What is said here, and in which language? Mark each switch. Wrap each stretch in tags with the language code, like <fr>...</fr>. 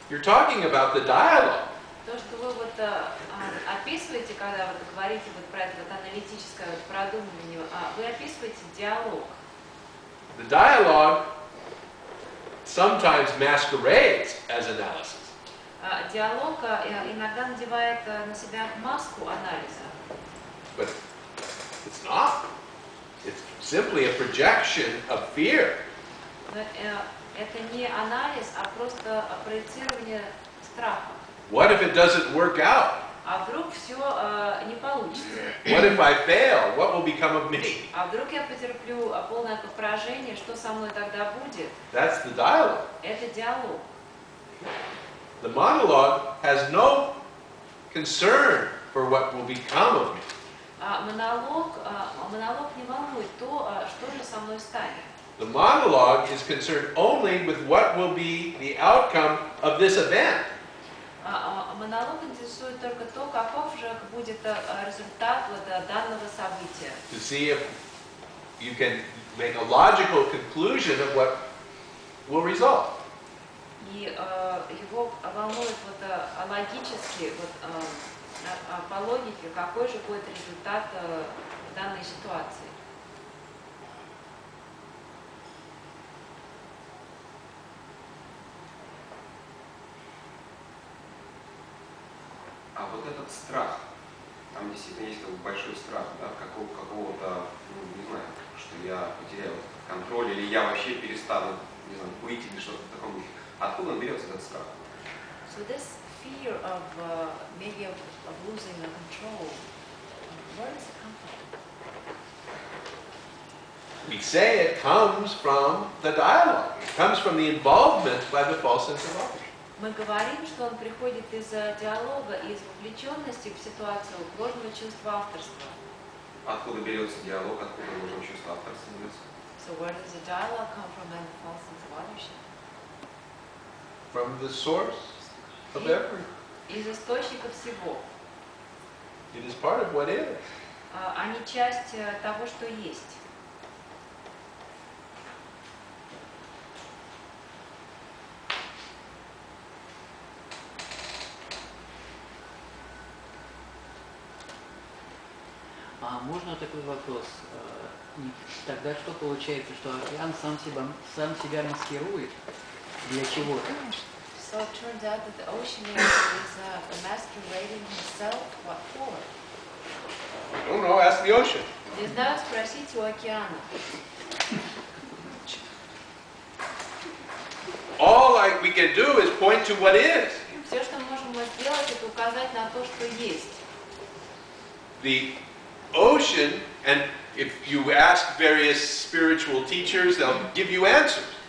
<en>You're talking about the dialogue.</en> <ru>То, что вы вот описываете, когда вы говорите вот про это вот аналитическое продумывание, вы описываете диалог.</ru> <en>The dialogue sometimes masquerades as analysis.</en> <ru>Диалог иногда надевает на себя маску анализа.</ru> <en>But it's not. It's simply a projection of fear.</en> <ru>Это не анализ, а просто проецирование страха.</ru> <en>What if it doesn't work out?</en> <ru>А вдруг все не получится?</ru> <en>What if I fail? What will become of me?</en> <ru>А вдруг я потерплю полное поражение? Что со мной тогда будет?</ru> <en>That's the dialogue.</en> <ru>Это диалог.</ru> <en>The monologue has no concern for what will become of me.</en> <ru>Монолог не волнует то, что же со мной станет.</ru> <en>The monologue is concerned only with what will be the outcome of this event.</en> <ru>Монолог интересует только то, каков же будет результат вот данного события.</ru> <en>To see if you can make a logical conclusion of what will result.</en> <ru>и его волнует вот логически, вот по логике, какой же будет результат данной ситуации. А вот этот страх, там действительно есть как бы большой страх, да, какого-то, ну, не знаю, что я потеряю контроль, или я вообще перестану, не знаю, быть или что-то в таком духе. Откуда он берется, этот страх?</ru> <en>So this fear of maybe of losing the control, where does it come from? We say it comes from the dialogue. It comes from the involvement by the false sense of others.</en> <ru>Мы говорим, что он приходит из диалога, из вовлеченности в ситуацию ложного чувства авторства. Откуда берется диалог, откуда ложное чувство авторства берется?</ru> <en>So where does the dialogue come from and the false sense of ownership? From the source of everything.</en> <ru>Из источника всего.</ru> <en>It is part of what is.</en> <ru>А не часть того, что есть. Можно такой вопрос? Тогда что получается, что Ариан сам себя маскирует для чего-то?</ru> <en>So it turns out that the ocean is masquerading himself. What for? I don't know, ask the ocean.</en> <ru>Не знаю, спросите у океана.</ru> <en>All we can do is point to what is.</en> <ru>Все, что мы можем сделать, это указать на то, что есть.</ru> <en>The ocean, and if you ask various spiritual teachers, they'll give you answers.</en>